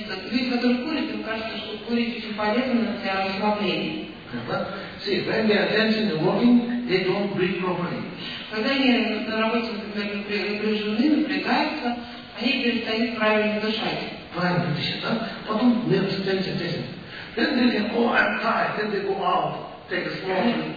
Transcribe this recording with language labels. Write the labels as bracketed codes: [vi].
[ru] Люди, которые курят, им кажется, что курить очень полезно для расслабления. [en] See, when they are tension and working, they don't breathe properly. [ru] Когда они на работе, например, напряжены, напрягаются, они перестают правильно дышать. Правильно дышать, да? Потом [en] they have tension, tension. Then they can go and try, then they go out, take a smoke.